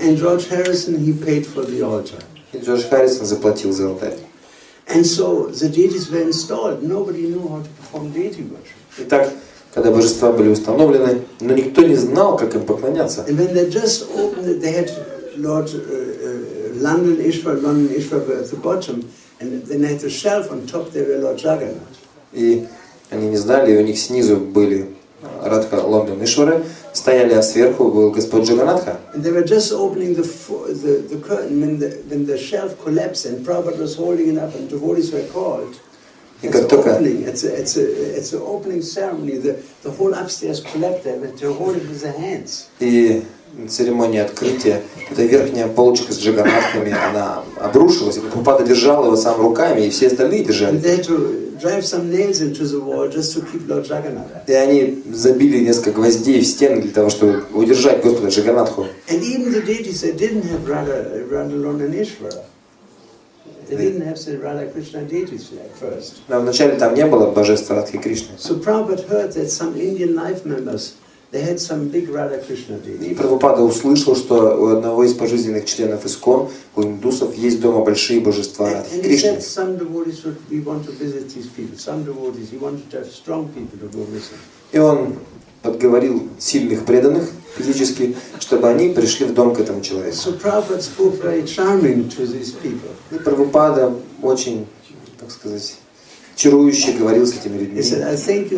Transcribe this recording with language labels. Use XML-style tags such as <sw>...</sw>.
<en>And George Harrison, he paid for the altar.</en> <ru>И Джордж Харрисон заплатил за алтарь.</ru> <en>And so the deities were installed. Nobody knew how to perform deity worship.</en> <ru>Итак, когда божества были установлены, но никто не знал, как им поклоняться.</ru> <en>And when they just opened it, they had Lord London Ishwar, London Ishwar were at the bottom, and then they had a shelf on top, there were Lord Jagannath.</en> <ru>И они не знали, и у них снизу были Радха Лондон Ишвары, стояли, а сверху был Господь Джаганатха.</ru> <en>And they were just opening the curtain when the shelf collapsed and Prabhupada was holding it up and devotees were called. It's an opening ceremony. The whole upstairs collapsed. They're holding with their hands.</en> <ru>И церемония открытия. Эта верхняя полочка с джаганатхами, она обрушилась. И Прабхупада держал его сам руками, и все остальные держали.</ru> <en>And they had to drive some nails into the wall just to keep Lord Jagannath.</en> <ru>И они забили несколько гвоздей в стены для того, чтобы удержать Господа Джаганатху.</ru> <en>And even the deities, they didn't have Radha Lonaneshwara. They didn't have the Radha Krishna deities at first.</en> <ru>Но вначале там не было божества Радхи Кришны.</ru> <en>So Prabhupada heard that some Indian life members they had some big Radha Krishna deities.</en> <ru>И Прабхупада услышал, что у одного из пожизненных членов ИСКОН, у индусов, есть дома большие божества Радхи Кришны.</ru> <en>And he said some devotees would we want to visit these people. Some devotees he wanted to have strong people to go visit.</en> <ru>И он подговорил сильных преданных физически, чтобы они пришли в дом к этому человеку. И Прабхупада очень, так сказать, чарующе говорил с этими людьми,</ru>